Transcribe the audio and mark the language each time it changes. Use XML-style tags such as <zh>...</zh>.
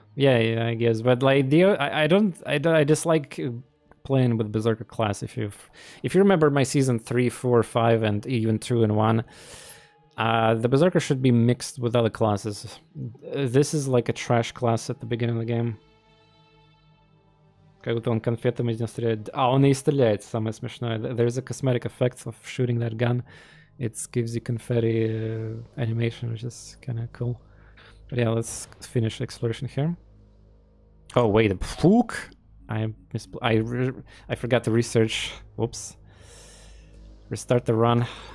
<en>Yeah, I guess, but like, I dislike playing with Berserker class. If you remember my season 3, 4, 5, and even 2 and 1, the Berserker should be mixed with other classes. This is like a trash class at the beginning of the game.</en> <ru>Как будто он конфетами не стреляет. А он и стреляет, самое смешное.</ru> <en>There's a cosmetic effect of shooting that gun. It gives you confetti animation, which is kind of cool. But yeah, let's finish exploration here. Oh, wait, a fook! I forgot to research. Whoops. Restart the run.</en>